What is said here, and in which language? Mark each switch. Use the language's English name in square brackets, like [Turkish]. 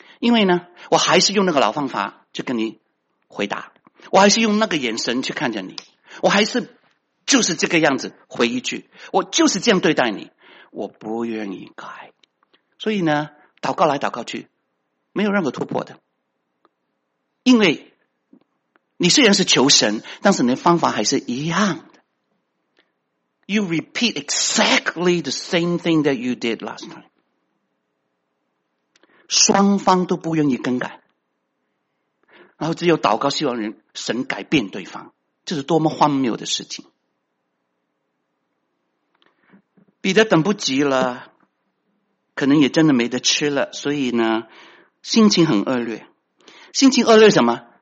[Chinese] 因为呢，我还是用那个老方法去跟你回答，我还是用那个眼神去看着你，我还是就是这个样子回一句，我就是这样对待你，我不愿意改。所以呢，祷告来祷告去，没有任何突破的。因为你虽然是求神，但是你的方法还是一样的。 [English] You repeat exactly the same thing that you did last time。 [Chinese] 双方都不愿意更改，然后只有祷告，希望人神改变对方，这是多么荒谬的事情！彼得等不及了，可能也真的没得吃了，所以呢，心情很恶劣。心情恶劣什么？